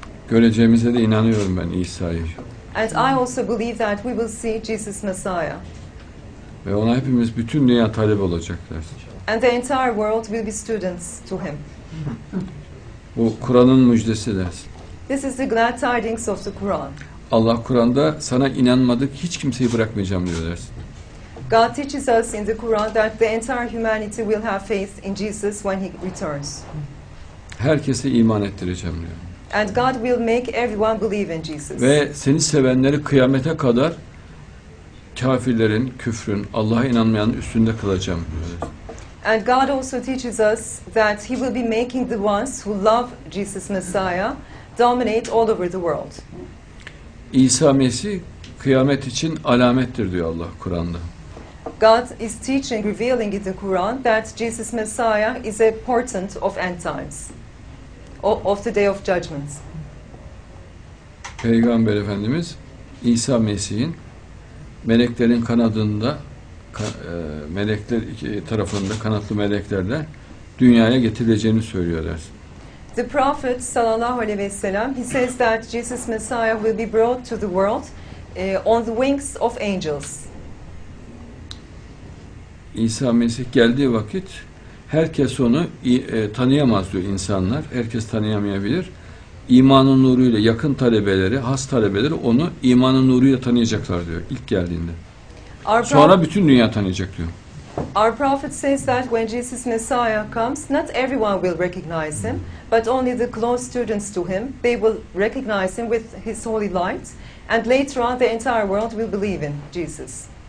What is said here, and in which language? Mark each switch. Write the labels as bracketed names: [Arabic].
[Turkish] Göreceğimize de inanıyorum ben İsa'yı. [English] And I also believe that we will see Jesus Messiah. [Turkish] Ve ona hepimiz bütün dünya talep olacaklar. [English] And the entire world will be students to Him. [Turkish] Bu Kur'an'ın müjdesi dersin. [English] This is the glad tidings of the Quran. [Turkish] Allah Kur'an'da sana inanmadık hiç kimseyi bırakmayacağım diyor dersin. [English] God teaches us in the Quran that the entire humanity will have faith in Jesus when He returns. [Turkish] Herkese iman ettireceğim diyor. [English] And God will make everyone believe in Jesus. [Turkish] Ve seni sevenleri kıyamete kadar kafirlerin, küfrün, Allah'a inanmayanın üstünde kılacağım diyor. [English] And God also teaches us that He will be making the ones who love Jesus Messiah dominate all over the world. [Turkish] İsa Mesih kıyamet için alamettir diyor Allah Kur'an'da. [English] God is teaching, revealing in the Quran that Jesus Messiah is a portent of end times, of the day of judgment. [Turkish] Peygamber Efendimiz İsa Mesih'in meleklerin kanadında, melekler tarafında kanatlı meleklerle dünyaya getirileceğini söylüyorlar. [English] The Prophet [Arabic] sallallahu aleyhi ve sellem, [English] he says that Jesus Messiah will be brought to the world on the wings of angels. [Turkish] İsa Mesih geldiği vakit herkes onu tanıyamaz diyor insanlar. Herkes tanıyamayabilir. İmanın nuruyla yakın talebeleri, has talebeleri onu imanın nuruyla tanıyacaklar diyor ilk geldiğinde. Sonra bütün dünya tanıyacak diyor. [English] Our prophet says that when Jesus Messiah comes, not everyone will recognize him, but only the close students to him, they will recognize him with his holy light, and later on the entire world will believe in Jesus.